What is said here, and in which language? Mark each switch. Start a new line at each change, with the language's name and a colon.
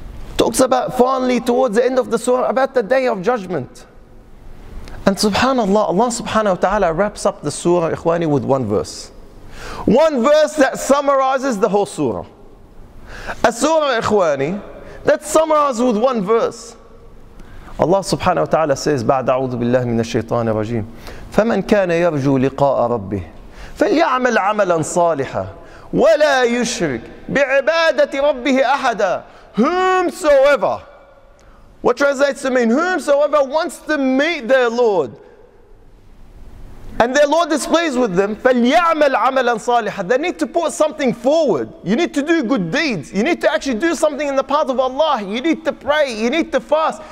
English: It talks about finally towards the end of the surah about the Day of Judgment. And subhanAllah, Allah subhanahu wa ta'ala wraps up the surah, Ikhwani, with one verse. One verse that summarizes the whole surah. A surah, Ikhwani, that summarizes with one verse.
Arabic: Allah subhanahu wa ta'ala says, بعد أعوذ بالله من الشيطان الرجيم فمن كان يرجو لقاء ربه فليعمل عملا صالحا ولا يشرك بعبادة ربه أحدا.
English: Whomsoever, what translates to mean, whomsoever wants to meet their Lord and their Lord is pleased with them, فَلْيَعْمَلْ عَمَلًا صَالِحًا, they need to put something forward. You need to do good deeds. You need to actually do something in the path of Allah. You need to pray. You need to fast.